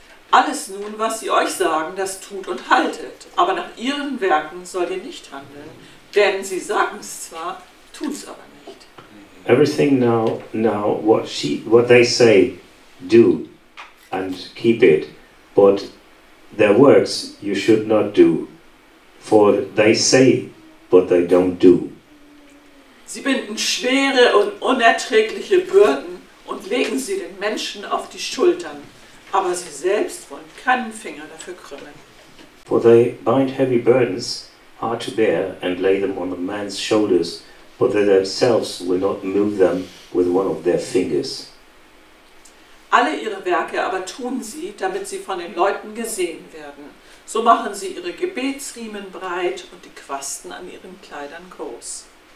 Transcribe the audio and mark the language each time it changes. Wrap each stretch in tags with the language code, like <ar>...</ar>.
<de>Alles nun, was sie euch sagen, das tut und haltet. Aber nach ihren Werken sollt ihr nicht handeln. Denn sie sagen es zwar, tut's aber nicht.</de> <en>Everything now what they say, do and keep it. But their works you should not do. For they say, but they don't do.</en> <de>Sie binden schwere und unerträgliche Bürden und legen sie den Menschen auf die Schultern. Aber sie selbst wollen keinen Finger dafür krümmen.</de> <en>For they bind heavy burdens, hard to bear, and lay them on the man's shoulders, but they themselves will not move them with one of their fingers.</en> <de>Alle ihre Werke aber tun sie, damit sie von den Leuten gesehen werden. So machen sie ihre Gebetsriemen breit und die Quasten an ihren Kleidern groß.</de>